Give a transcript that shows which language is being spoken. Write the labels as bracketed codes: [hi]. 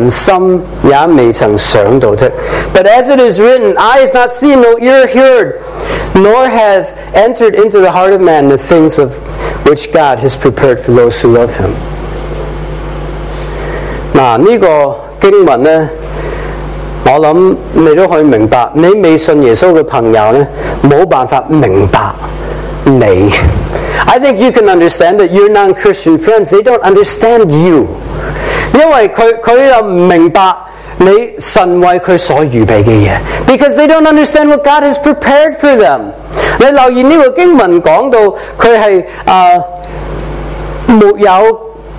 [zh] 你看第九节， [en] Look at verse 9。 [zh] 如经上所记，神为爱他的人所预备的事，眼睛未看见，未曾看见，耳朵未曾听见，人心也未曾想到的。 [en] But as it is written, eyes not seen, no ear heard, nor have entered into the heart of man the things of which God has prepared for those who love him. [zh] 那这个经文呢？我想你都可以明白，你未信耶稣的朋友呢，冇办法明白你。 [en] I think you can understand that your non-Christian friends, they don't understand you. [zh] 因为他又不明白你神为他所预备的事。 [en] Because they don't understand what God has prepared for them. [zh] 你留意这个经文讲到他是没有。